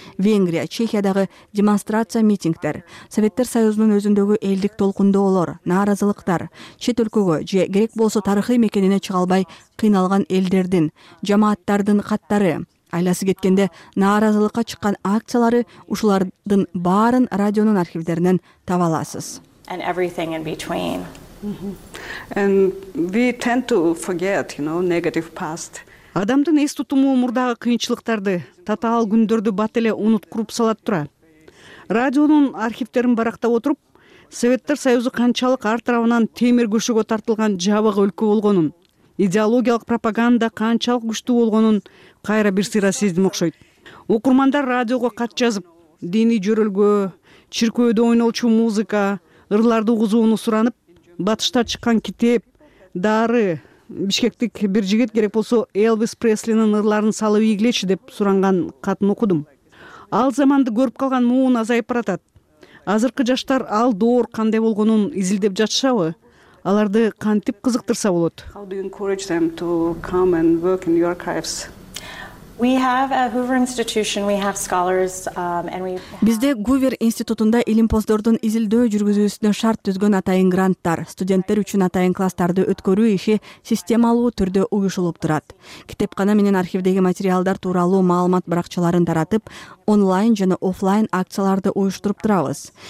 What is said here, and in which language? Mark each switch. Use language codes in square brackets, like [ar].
[ky] Венгрия, Чехиядагы демонстрация, митингдер, Советтер Союзунун өзүндөгү элдик толкундоолор, нааразылыктар, чет өлкөгө же керек болсо тарыхый мекенине чыга албай кыйналган элдердин, жамааттардын каттары, айласы кеткенде нааразылыкка чыккан акциялары, ушулардын баарын радионун архивдеринен таба аласыз. [en] And everything in between. And we tend to forget, you know, negative past. [ky] Адамдын эс тутуму мурдагы кыйынчылыктарды, татаал күндөрдү бат эле унуткуруп салат тура. Радионун архивтерин барактап отуруп, Советтер Союзу канчалык ар тарабынан темир көшөгө тартылган жабык өлкө болгонун, идеологиялык пропаганда канчалык күчтүү болгонун кайра бир сыйра сездим окшойт. Окурмандар радиого кат жазып, диний жөрөлгө, чиркөөдө ойнолчу музыка, ырларды угузууну суранып, батышта чыккан китеп, дары, бишкектик бир жигит керек болсо Элвис Преслинин ырларын салып ийгилечи деп суранган катын окудум. Ал заманды көрүп калган муун азайып баратат. Азыркы жаштар ал доор кандай болгонун изилдеп жатышабы? Аларды кантип кызыктырса болот? [en] How do you encourage them to come and work in your archives? We have a Hoover institution, we have scholars and we [ky] Бизде Гувер институтунда илимпоздордун изилдөө жүргүзүүсүнө шарт түзгөн атайын гранттар, студенттер үчүн атайын класстарды өткөрүү иши системалуу түрдө уюшулуп турат. Китепкана менен архивдеги материалдар тууралуу маалымат баракчаларын таратып, онлайн жана офлайн акцияларды уюштуруп турабыз.